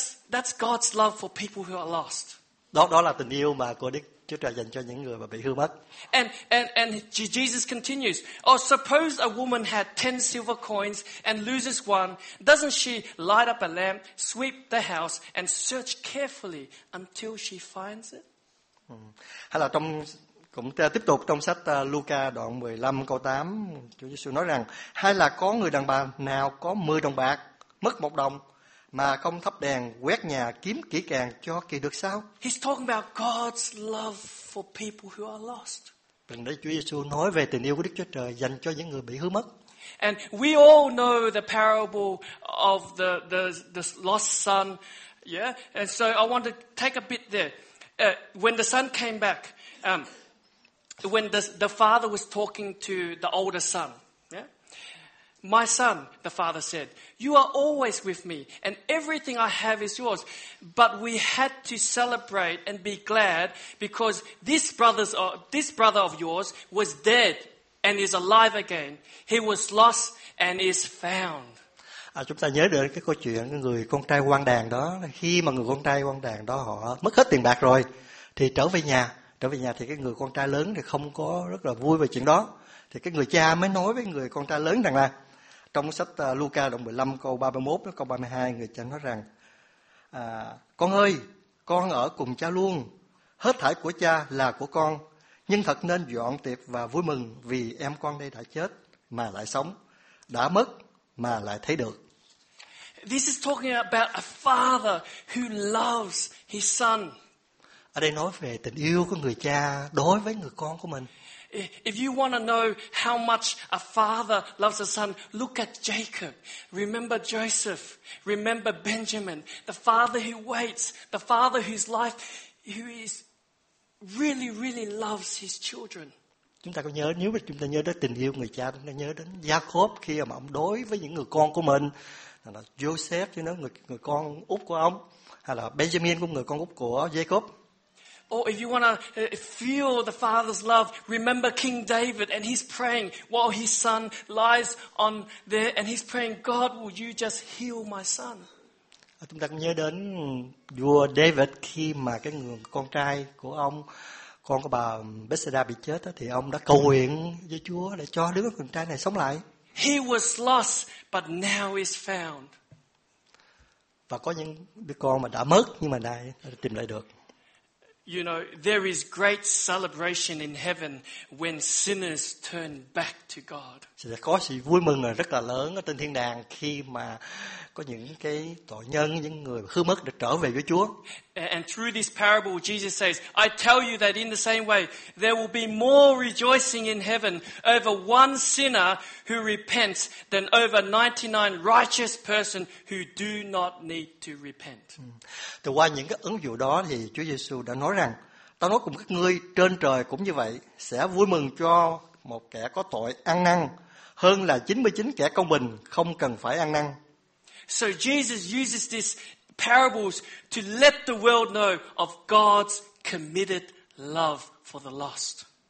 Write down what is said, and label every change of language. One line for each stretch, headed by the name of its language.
English: That's God's love for people who are lost.
Vietnamese: Đó là tình yêu mà của Đức Chúa Trời dành cho những người mà bị hư mất.
English: And Jesus continues. Oh, suppose a woman had 10 silver coins and loses one. Doesn't she light up a lamp, sweep the house and search carefully until she finds it?
Vietnamese: Hay là trong cũng tiếp tục trong sách Luca đoạn 15 câu 8, Chúa Giêsu nói rằng: hay là có người đàn bà nào có 10 đồng bạc, mất một đồng mà không thắp đèn quét nhà kiếm kỹ càng cho kỳ được sao?
English: He's talking about God's love for people who are lost.
Vietnamese: Bình đấy, Chúa Giêsu nói về tình yêu của Đức Chúa Trời dành cho những người bị hư mất.
English: And we all know the parable of the lost son, yeah. And so I want to take a bit there. When the son came back, when the father was talking to the older son. My son, the father said, you are always with me and everything I have is yours. But we had to celebrate and be glad because this brother of yours was dead and is alive again. He was lost and is found.
Vietnamese: Chúng ta nhớ được cái câu chuyện người con trai hoang đàn đó. Khi mà người con trai hoang đàn đó họ mất hết tiền bạc rồi, thì trở về nhà thì cái người con trai lớn thì không có rất là vui về chuyện đó. Thì cái người cha mới nói với người con trai lớn rằng là, trong sách Luca đoạn 15 câu 31 đến câu 32, người cha nói rằng: con ơi, con ở cùng cha luôn, hết thảy của cha là của con, nhưng thật nên dọn tiệc và vui mừng vì em con đây đã chết mà lại sống, đã mất mà lại thấy được.
English: This is talking about a father who loves his son.
Vietnamese: Ở đây nói về tình yêu của người cha đối với người con của mình.
English: If you want to know how much a father loves a son, look at Jacob. Remember Joseph. Remember Benjamin. The father who waits. The father whose life, who is really, really loves his children.
Vietnamese: Chúng ta có nhớ, nếu mà chúng ta nhớ đến tình yêu người cha, chúng ta nhớ đến Jacob khi mà ông đối với những người con của mình, hay là Joseph, người con út của ông, hay là Benjamin, người con út của Jacob.
English: Or if you want to feel the Father's love, remember King David, and he's praying while his son lies on there, and he's praying, God, will you just heal my son?
Vietnamese: Chúng ta cũng nhớ đến vua David khi mà cái người con trai của ông, con của bà Bathsheba bị chết đó, thì ông đã cầu nguyện với Chúa để cho đứa con trai này sống lại.
English: He was lost, but now he's found.
Vietnamese: Và có những đứa con mà đã mất nhưng mà nay đã tìm lại được.
English: You know, there is great celebration in heaven when sinners turn back to God.
Vietnamese: Sẽ có sự vui mừng rất là lớn ở trên thiên đàng khi mà có những cái tội nhân, những người hư mất đã trở về với Chúa.
English: And through this parable, Jesus says, I tell you that in the same way, there will be more rejoicing in heaven over one sinner who repents than over 99 righteous persons who do not need to repent.
Vietnamese: Từ qua những cái ứng dụ đó thì Chúa Giêsu đã nói rằng, ta nói cùng các ngươi, trên trời cũng như vậy, sẽ vui mừng cho một kẻ có tội ăn năn hơn là 99 kẻ công bình không cần phải ăn năn.
English: So Jesus uses these parables to let the world know of God's committed love for the lost.